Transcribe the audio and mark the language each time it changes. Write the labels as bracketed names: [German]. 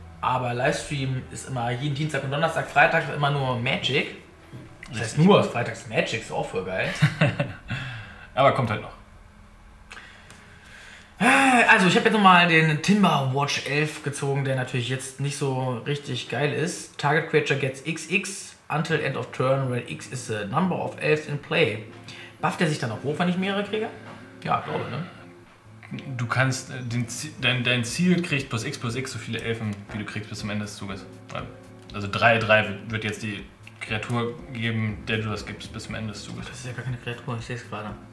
[German] Aber Livestream ist immer jeden Dienstag und Donnerstag, Freitag immer nur Magic. Das heißt nur Freitags Magic, ist auch voll geil. Aber kommt halt noch. Also ich habe jetzt nochmal den Timber Watch 11 gezogen, der natürlich jetzt nicht so richtig geil ist. [English] Target Creature gets XX until end of turn, when X is the number of elves in play. [German] Bufft er sich dann auch hoch, wenn ich mehrere kriege? Ja, glaube ich, ne? Du kannst, dein Ziel kriegt plus X so viele Elfen, wie du kriegst bis zum Ende des Zuges. Also 3-3 wird jetzt die Kreatur geben, der du das gibst bis zum Ende des Zuges. Das ist ja gar keine Kreatur, ich sehe es gerade.